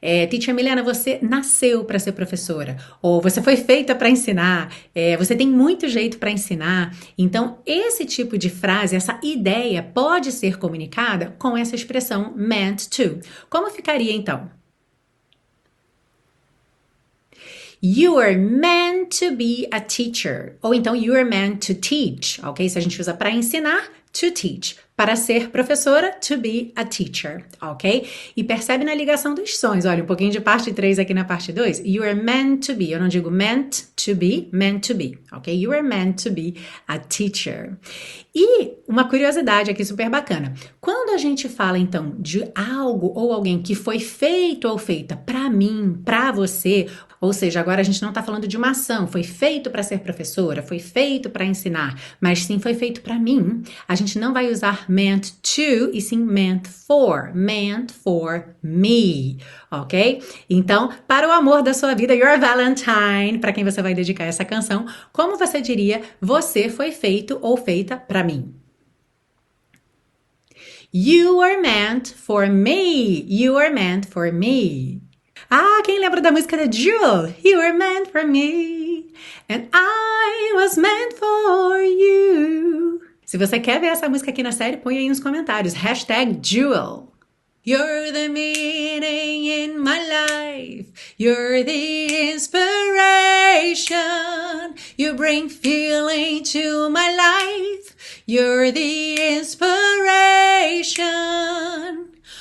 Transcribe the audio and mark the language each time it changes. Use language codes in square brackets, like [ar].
[pt] Teacher Milena, você nasceu para ser professora, ou você foi feita para ensinar, você tem muito jeito para ensinar. Então, esse tipo de frase, essa ideia pode ser comunicada com essa expressão meant to. Como ficaria então? [en] You are meant to be a teacher. [pt] Ou então, [en] you are meant to teach. [pt] Ok? Se a gente usa para ensinar, [en] to teach. [pt] Para ser professora, [en] to be a teacher. [pt] Ok? E percebe na ligação dos sons. Olha, um pouquinho de parte 3 aqui na parte 2. [en] You are meant to be. [pt] Eu não digo [en] meant to be, meant to be. Ok? You are meant to be a teacher. [pt] E uma curiosidade aqui super bacana. Quando a gente fala, então, de algo ou alguém que foi feito ou feita para mim, para você... Ou seja, agora a gente não está falando de uma ação, foi feito para ser professora, foi feito para ensinar, mas sim foi feito para mim. A gente não vai usar meant to, e sim [en] meant for me, [pt] ok? Então, para o amor da sua vida, [en] your Valentine, [pt] para quem você vai dedicar essa canção, como você diria, você foi feito ou feita para mim? [en] You are meant for me, you are meant for me. [pt] Ah, quem lembra da música da Jewel? [en] You were meant for me, and I was meant for you. [pt] Se você quer ver essa música aqui na série, põe aí nos comentários. Hashtag Jewel. [en] You're the meaning in my life. You're the inspiration. You bring feeling to my life. You're the inspiration.